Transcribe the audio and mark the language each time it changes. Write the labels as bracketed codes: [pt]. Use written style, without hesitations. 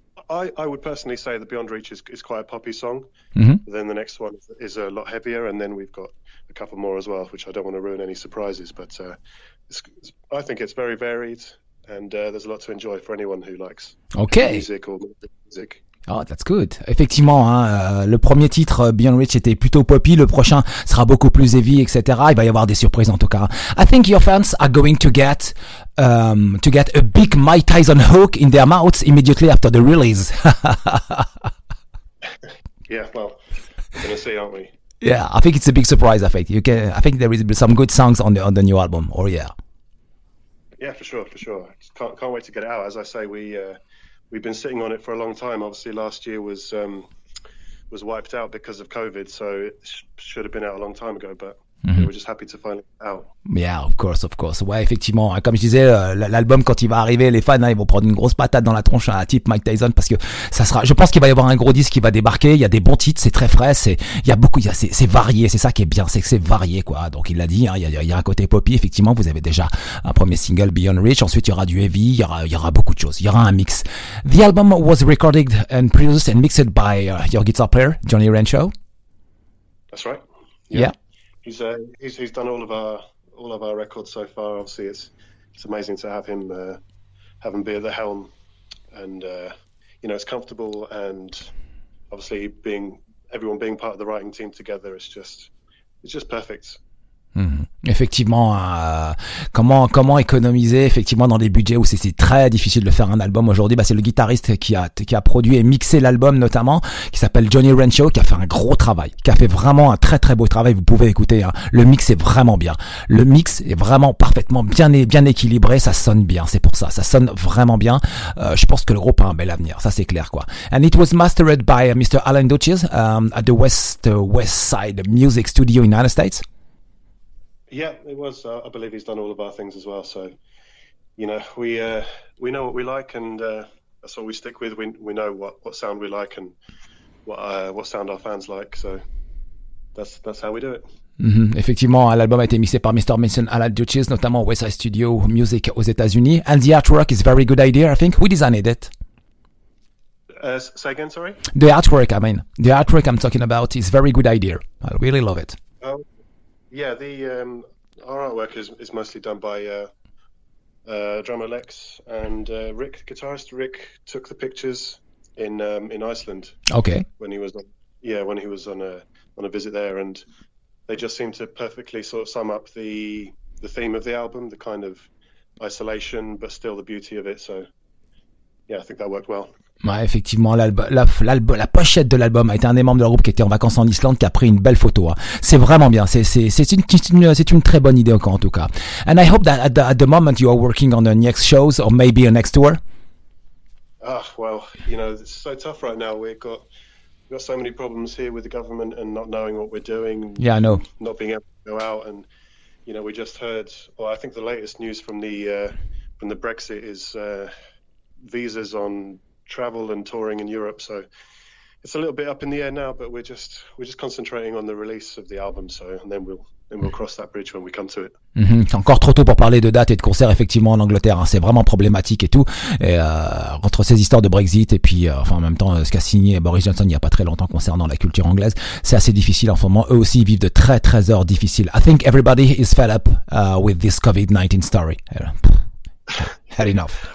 [en] I would personally say that Beyond Reach is quite a poppy song. Mm-hmm. Then the next one is a lot heavier, and then we've got a couple more as well, which I don't want to ruin any surprises. But I think it's very varied. And there's a lot to enjoy for anyone who likes music or music. Oh, that's good. [fr] Effectivement, hein, le premier titre, Beyond Reach, était plutôt poppy. Le prochain sera beaucoup plus heavy, etc. Il va y avoir des surprises en tout cas. [en] I think your fans are going to get a big Mike Tyson hook in their mouths immediately after the release. Yeah, well, we're going to see, aren't we? Yeah, I think it's a big surprise, I think. I think there is some good songs on the new album, or yeah. Yeah, for sure. Can't wait to get it out. As I say, we've been sitting on it for a long time. Obviously, last year was wiped out because of COVID, so it should have been out a long time ago, but we're just happy to finally get it out. Yeah, of course. [fr] Ouais, effectivement. Comme je disais, l'album, quand il va arriver, les fans, hein, ils vont prendre une grosse patate dans la tronche à un type Mike Tyson parce que ça sera, je pense qu'il va y avoir un gros disque qui va débarquer. Il y a des bons titres, c'est très frais, c'est varié. C'est ça qui est bien, c'est que c'est varié, quoi. Donc, il l'a dit, hein, il y a un côté poppy. Effectivement, vous avez déjà un premier single, Beyond Reach. Ensuite, il y aura du heavy, il y aura beaucoup de choses. Il y aura un mix. [en] The album was recorded and produced and mixed by your guitar player, Johnny Rancho. That's right. Yeah. He's done all of our records so far. Obviously, it's amazing to have him be at the helm, and you know, it's comfortable, and obviously everyone being part of the writing team together is just perfect. [fr] Effectivement, comment économiser effectivement dans des budgets où c'est très difficile de faire un album aujourd'hui. Bah, c'est le guitariste qui a produit et mixé l'album notamment, qui s'appelle Johnny Rancho, qui a fait un gros travail, qui a fait vraiment un très très beau travail. Vous pouvez écouter, hein, le mix est vraiment bien. Le mix est vraiment parfaitement bien équilibré. Ça sonne bien. C'est pour ça. Ça sonne vraiment bien. Je pense que le groupe a un bel avenir. Ça c'est clair quoi. [en] And it was mastered by Mr. Alan Dutches at the West Side Music Studio in United States. Yeah, it was. I believe he's done all of our things as well. So, you know, we know what we like, and that's what we stick with. We know what sound we like and what sound our fans like. So that's how we do it. [fr] Mm-hmm. Effectivement, l'album a été mixé par Mr. Mason Alan Dutches, notamment West Side Studio Music aux États-Unis. [en] And the artwork is a very good idea, I think. Who designed it? Say again, sorry? The artwork I'm talking about is a very good idea. I really love it. Yeah, the our artwork is mostly done by drummer Lex, and guitarist Rick took the pictures in Iceland. Okay. When he was on a visit there, and they just seem to perfectly sort of sum up the theme of the album, the kind of isolation but still the beauty of it. So yeah, I think that worked well. [fr] Ouais, effectivement, la pochette de l'album a été un des membres de leur groupe qui était en vacances en Islande qui a pris une belle photo. Hein. C'est vraiment bien. C'est une très bonne idée encore en tout cas. [en] And I hope that at the moment you are working on the next shows or maybe a next tour. Well, you know, it's so tough right now. We've got so many problems here with the government and not knowing what we're doing. Yeah, I know. Not being able to go out, and you know, we just heard, or I think the latest news from the Brexit is visas on travel and touring in Europe. So it's a little bit up in the air now, but we're just concentrating on the release of the album. So, and then we'll cross that bridge when we come to it. Mm-hmm. [fr] C'est encore trop tôt pour parler de dates et de concerts effectivement en Angleterre. C'est vraiment problématique et tout. Et, entre ces histoires de Brexit et puis enfin en même temps ce qu'a signé Boris Johnson il y a pas très longtemps concernant la culture anglaise, c'est assez difficile en ce moment. Eux aussi vivent de très très heures difficiles. [en] I think everybody is fed up with this COVID-19 story. Had enough.